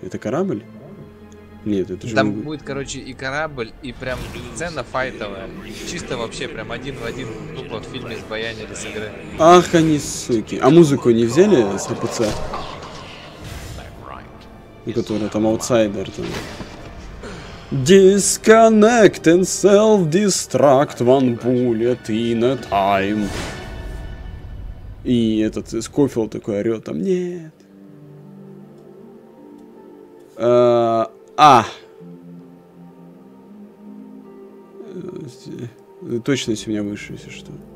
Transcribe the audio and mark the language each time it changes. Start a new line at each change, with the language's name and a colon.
Russian: Это корабль? Нет, это же там могу... будет, короче, и корабль, и прям сцена файтовая. Чисто вообще прям один в один тупо в фильме с баяни или с игры. Ах, они суки. А музыку не взяли с РПЦ? Ну, который там аутсайдер там.
English: Disconnect and self-destruct one bullet in a time.
Russian: И этот Скофилд такой орёт там, нет. А! Точно если у меня выше, если что.